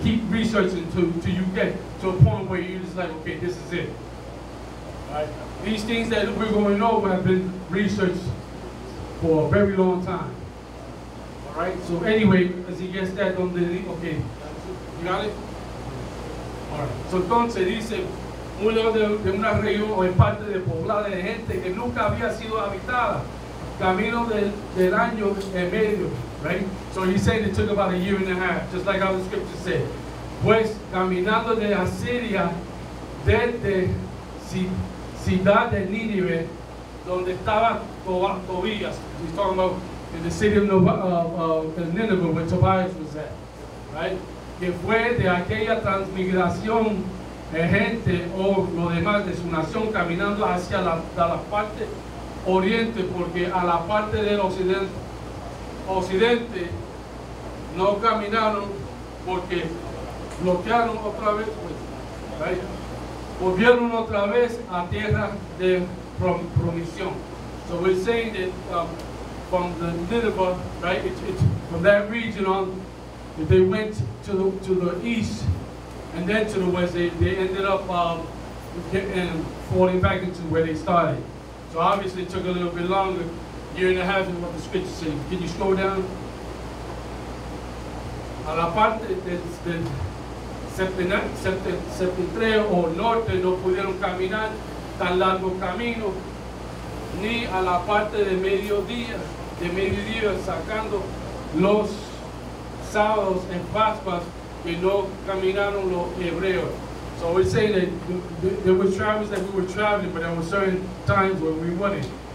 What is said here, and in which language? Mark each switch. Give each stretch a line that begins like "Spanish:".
English: Keep researching until you get to a point where you're just like, okay, this is it. Right? These things that we're going over have been researched for a very long time. Right, so anyway, as he gets that on the link, okay, you got it? All right, so
Spanish: entonces dice, muy lejos de una región o en parte de poblada de gente que nunca había sido habitada, camino del año y medio, right?
English: So he's saying it took about a year and a half, just like how the scripture said.
Spanish: Pues, caminando de Asiria, desde ciudad de Nínive, donde estaba Tobías,
English: he's talking about in the city of Nineveh, where Tobias was at, right?
Spanish: Que fue de aquella transmigración de gente o lo demás de su nación caminando hacia la parte oriente, porque a la parte del occidente no caminaron porque bloquearon otra vez, pues,
English: right?
Spanish: Volvieron otra vez a tierra de promisión.
English: So we're saying that from the Nineveh, right? It's from that region on, they went to the east and then to the west. They ended up falling back into where they started. So obviously it took a little bit longer, year and a half is what the scripture says. Can you scroll down?
Spanish: A la parte del septentrio o norte no pudieron caminar tan largo camino ni a la parte de mediodía. De mediodía sacando los sábados en Pascuas que no caminaron los hebreos.
English: So we're saying that there were travels that we were traveling, but there were certain times where we wouldn't.